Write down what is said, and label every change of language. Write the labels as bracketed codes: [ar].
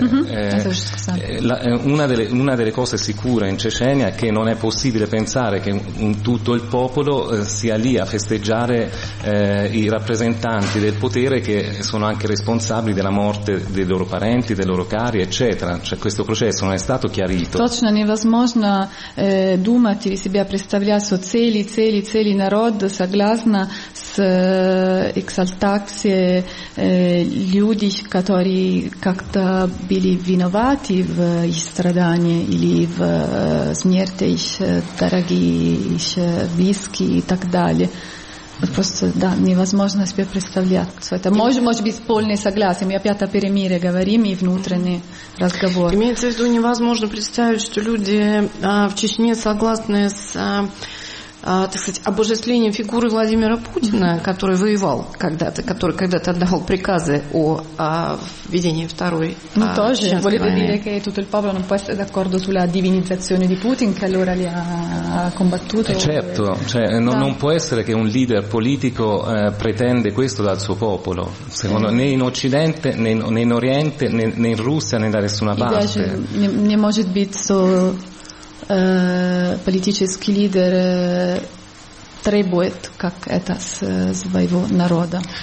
[it] Mm-hmm. Una delle cose sicure in Cecenia è che non è possibile pensare che tutto il popolo sia lì a festeggiare i rappresentanti del potere che sono anche responsabili della morte dei loro parenti, dei loro cari, eccetera. Cioè questo processo non è stato chiarito. [ru] Точно невозможно думать или себя представлять, что цели народ согласно с экзальтации людей, которые как-то были виноваты в их страдания или в смерти их дорогих, близких и так далее. Просто, да, невозможно себе представлять все это. Может быть, полное согласие. Мы опять о перемире говорим и внутренний разговор. Имеется в виду, невозможно представить, что люди в Чечне согласны с... так сказать, обожествление фигуры Владимира Путина, который воевал когда-то, который когда-то отдал приказы о введении второй. Ну, тоже. [it] Volevo dire che tutto il popolo non può essere d'accordo sulla divinizzazione di Putin, che allora li ha combattuto. Certo, cioè, no, non può essere che un leader politico pretende questo dal suo popolo, secondo né in Occidente, né in Oriente, né in Russia, né da nessuna parte. [ru] Не может быть, что политический лидер требует как это с своего народа.